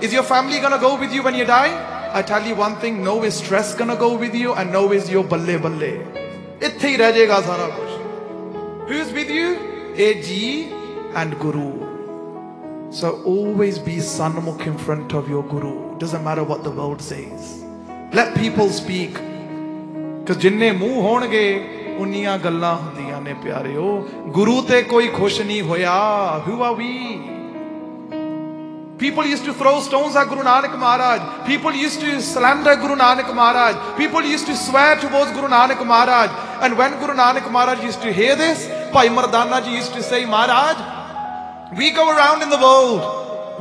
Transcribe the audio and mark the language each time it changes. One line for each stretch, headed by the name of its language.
English: Is your family going to go with you when you die? I tell you one thing, no is stress going to go with you and no is your balle balle.
Punjabi: Itthi rajega sara kush.
English: Who's with you? AG and Guru. So always be Sanmukh in front of your Guru. Doesn't matter what the world says. Let people speak. Because
Punjabi: jinne muh honge, ਉਨੀਆਂ ਗੱਲਾਂ ਹੁੰਦੀਆਂ ਨੇ ਪਿਆਰਿਓ ਗੁਰੂ ਤੇ ਕੋਈ ਖੁਸ਼ ਨਹੀਂ ਹੋਇਆ
English: Who are we? People used to throw stones at Guru Nanak Maharaj. People used to slander Guru Nanak Maharaj. People used to swear towards Guru Nanak Maharaj. And when Guru Nanak Maharaj used to hear this, Bhai Mardana Ji used to say, Maharaj, we go around in the world.